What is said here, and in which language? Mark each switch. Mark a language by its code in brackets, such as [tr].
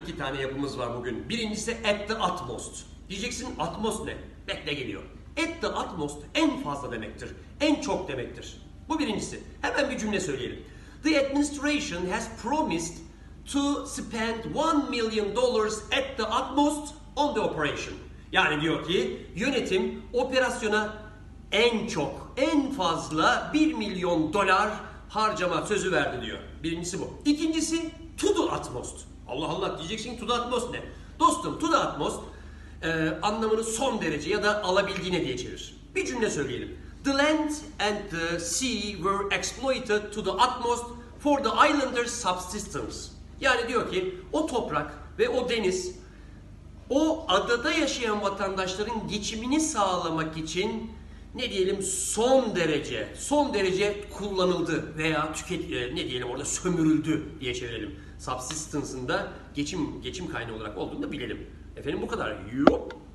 [tr] iki tane yapımız var bugün. Birincisi At The Utmost. Diyeceksin Utmost ne? Bekle geliyor. At The Utmost en fazla demektir. En çok demektir. Bu birincisi. Hemen bir cümle söyleyelim. [en] The administration has promised to spend $1 million at the utmost on the operation. [tr] Yani diyor ki yönetim operasyona en çok, en fazla $1 million harcama sözü verdi diyor. Birincisi bu. İkincisi to the utmost. Allah Allah diyeceksin to the utmost ne? Dostum to the utmost anlamını son derece ya da alabildiğine diye çevirir. Bir cümle söyleyelim. [en] The land and the sea were exploited to the utmost for the islanders' subsistence. [tr] Yani diyor ki o toprak ve o deniz o adada yaşayan vatandaşların geçimini sağlamak için ne diyelim son derece kullanıldı veya sömürüldü diye çevirelim. Subsistence'ın da geçim kaynağı olarak olduğunu da bilelim. Efendim bu kadar. Yup.